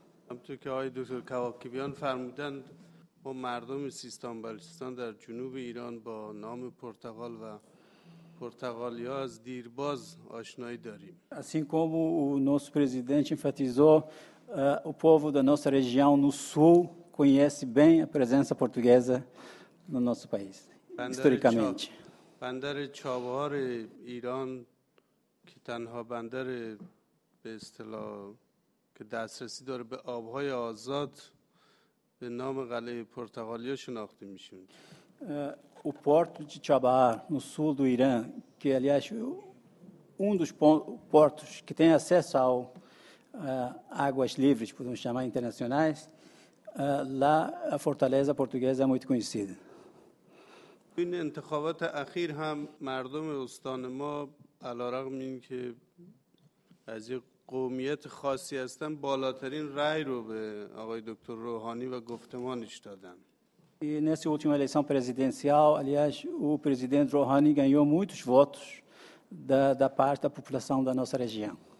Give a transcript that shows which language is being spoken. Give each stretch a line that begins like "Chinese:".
Persian: همطور که آقای دکتر کواکبیان فرمودن، ما مردم سیستان بلوچستان در جنوب ایران با نام پرتغال و پرتغالی ها از دیرباز آشنایی داریم.
Portuguese: Assim como o nosso presidente enfatizou, o povo da nossa região no sul conhece bem a presença portuguesa no nosso país, historicamente.
Persian: بندر چابهار ایران که تنها بندر به اصطلاح که دسترسی داره به آب‌های آزاد به نام قلعه پرتغالی ها شناخته میشوند.
Portuguese: O porto de Chabahar, no sul do Irã, que, aliás, um dos portos que tem acesso a águas livres, podemos chamar internacionais, lá a fortaleza portuguesa é muito conhecida.
Persian: این انتخابات اخیر هم مردم استان ما علی‌رغم اینکه از یک قومیت خاصی هستن بالاترین رأی رو به آقای دکتر روحانی و گفتمانش دادن.
Portuguese: E nessa última eleição presidencial, aliás, o presidente Rouhani ganhou muitos votos da parte da população da nossa região.